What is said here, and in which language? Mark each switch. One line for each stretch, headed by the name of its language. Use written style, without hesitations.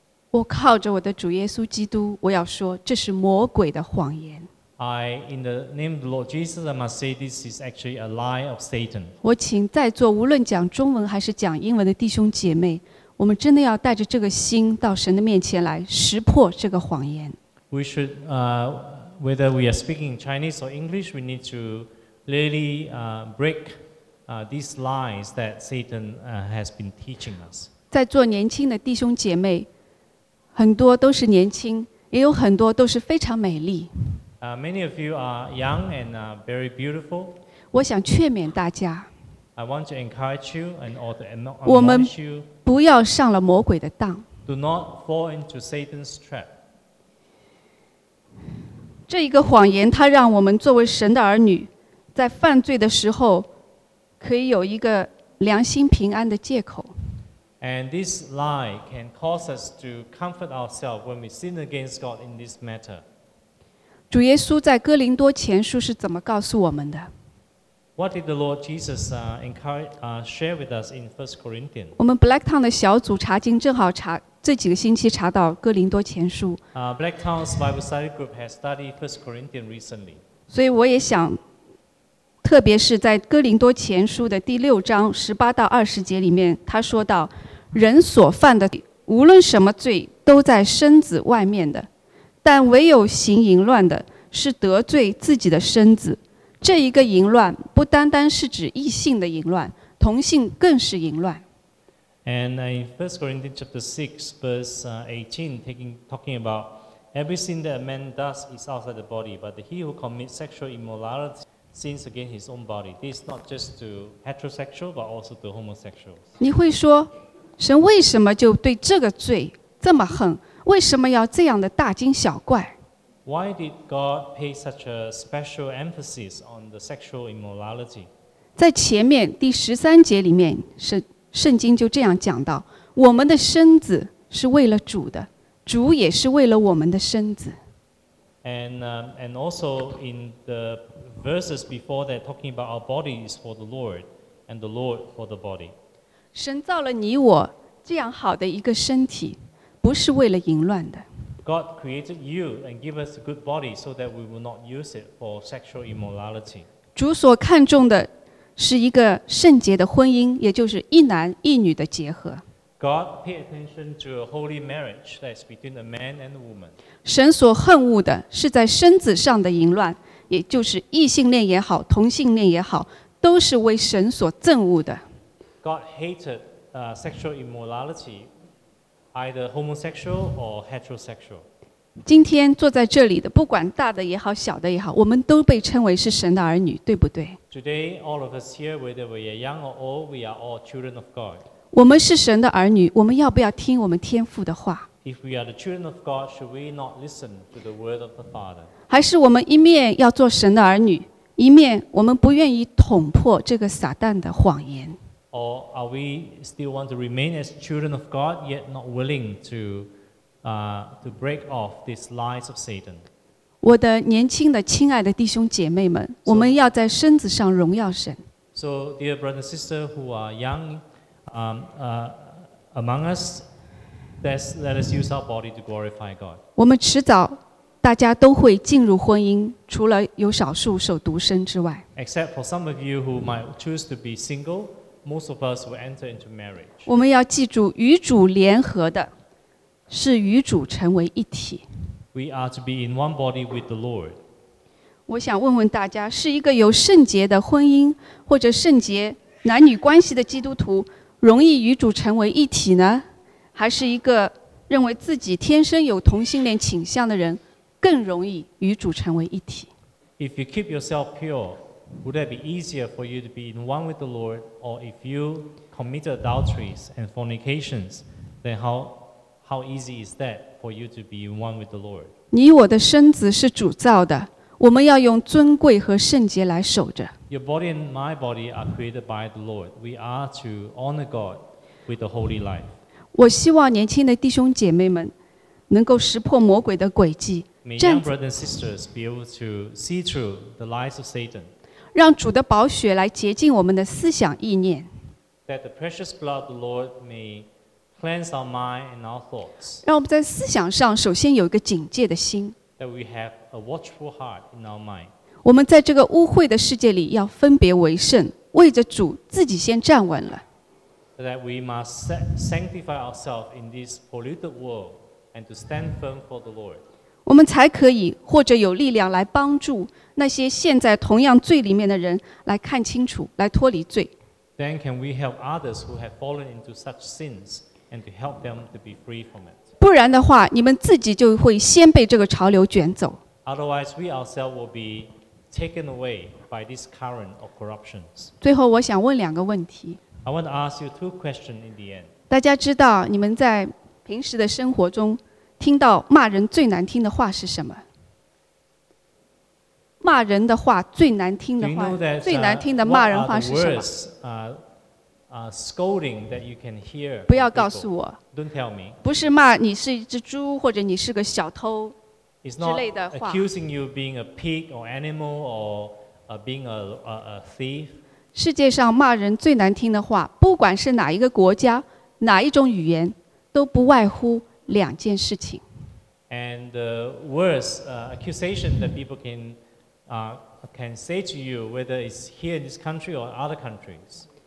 Chinese: 我靠着我的主耶稣基督，我要说这是魔鬼的谎言。
English: I, in the name of the Lord Jesus, I must say this is actually a lie of Satan.
Chinese: 我请在座无论讲中文还是讲英文的弟兄姐妹，我们真的要带着这个心到神的面前来识破这个谎言。
English: We should, whether we are speaking Chinese or English, we need to really break these lies that Satan has been teaching us.
Chinese: 在座年轻的弟兄姐妹，很多都是年轻，也有很多都是非常美丽。
English: Many of you are young and very beautiful.
Chinese: 我想劝勉大家。
English: I want to encourage you and all the admonish you.
Chinese: 我们不要上了魔鬼的当。
English: Do not fall into Satan's trap.
Chinese: 这一个谎言，它让我们作为神的儿女，在犯罪的时候，可以有一个良心平安的借口。
English: And this lie can cause us to comfort ourselves when we sin against God in this matter.
Chinese: 主耶稣在哥林多前书是怎么告诉我们的？
English: What did the Lord Jesus share with us in 1 Corinthians?
Chinese: 我们 Black Town 的小组查经正好查这几个星期查到哥林多前书。
English: Black Town's Bible study group has studied 1 Corinthians recently.
Chinese: 所以我也想，特别是在哥林多前书的第六章十八到二十节里面，他说到，人所犯的无论什么罪，都在身子外面的，但唯有行淫乱的，是得罪自己的身子。这一个淫乱，不单单是指异性的淫乱，同性更是淫乱。
English: And in 1 Corinthians chapter 6, verse 18, talking about every sin that a man does is outside the body, but he who commits sexual immorality sins against his own body. This is not just to heterosexual, but also to homosexuals.
Chinese: 你会说，神为什么就对这个罪这么恨？为什么要这样的大惊小怪？
English: Why did God pay such a special emphasis on the sexual immorality?
Chinese: 在前面第十三节里面，圣经就这样讲到，我们的身子是为了主的，主也是为了我们的身子。
English: And also in the verses before that, talking about our body is for the Lord, and the Lord for the body.
Chinese: 神造了你我这样好的一个身体，不是为了淫乱的。
English: God created you and gave us a good body so that we will not use it for sexual immorality.
Chinese: 主所看重的是一个圣洁的婚姻，也就是一男一女的结合。
English: God paid attention to a holy marriage that is between a man and a woman.
Chinese: 神所恨恶的是在身子上的淫乱，也就是异性恋也好，同性恋也好，都是为神所憎恶的。
English: God hated sexual immorality, either homosexual or heterosexual.
Chinese: 今天坐在这里的，不管大的也好，小的也好，我们都被称为是神的儿女，对不对？
English: Today, all of us here, whether we are young or old, we are all children of God.
Chinese: 我们是神的儿女，我们要不要听我们天父的话？
English: If we are the children of God, should we not listen to the word of the Father?
Chinese: 还是我们一面要做神的儿女，一面我们不愿意捅破这个撒旦的谎言？
English: Or are we still want to remain as children of God, yet not willing to break off these lies of Satan?
Chinese: 我的年轻的亲爱的弟兄姐妹们，我们要在身子上荣耀神。
English: So, dear brothers and sisters who are young, among us, let us use our body to glorify God.
Chinese: 我们迟早大家都会进入婚姻，除了有少数守独身之外。
English: Except for some of you who might choose to be single, most of us will enter into marriage.
Chinese: 我们要记住，与主联合的是与主成为一体。
English: We are to be in one body with the Lord.
Chinese: 我想问问大家，是一个有圣洁的婚姻或者圣洁男女关系的基督徒，容易与主成为一体呢？还是一个认为自己天生有同性恋倾向的人，更容易与主成为一体。
English: If you keep yourself pure, would that be easier for you to be in one with the Lord? Or if you commit adulteries and fornications, then how easy is that for you to be in one with the Lord?
Chinese: 你我的身子是主造的，我们要用尊贵和圣洁来守着。
English: Your body and my body are created by the Lord. We are to honor God with a holy life.
Chinese: 我希望年轻的弟兄姐妹们，能够识破魔鬼的诡计。
English: May young brothers and sisters be able to see through the lies of Satan.
Chinese: 让主的宝血来洁净我们的思想意念。
English: That the precious blood of the Lord may cleanse our mind and our thoughts.
Chinese: 让我们在思想上首先有一个警戒的心。
English: That we have a watchful heart in our mind.
Chinese: 我们在这个污秽的世界里要分别为圣，为着主自己先站稳了。
English: That we must sanctify ourselves in this polluted world and to stand firm for the Lord.
Chinese: 我们才可以或者有力量来帮助那些陷在同样罪里面的人来看清楚，来脱离罪。
English: Then can we help others who have fallen into such sins and to help them to be free from it?
Chinese: 不然的话，你们自己就会先被这个潮流卷走。
English: Otherwise, we ourselves will be taken away by this current of corruptions.
Chinese: 最后，我想问两个问题。
English: I want to ask you two questions in the end.
Chinese: 大家知道你们在平时的生活中听到骂人最难听的话是什么？骂人的话最难听的话，
English: you know that,
Chinese: 最难听的骂人话是什么？
English: Words, scolding that you can hear.
Chinese: 不要告诉我。
English: Don't tell me.
Chinese: 不是骂你是一只猪或者你是个小偷之类的话。
English: It's not accusing you of being a pig or animal or being a thief.
Chinese: 世界上骂人最难听的话，不管是哪一个国家、哪一种语言，都不外乎两件事情。
English: And the worst accusation that people can say to you, whether it's here in this country or other countries.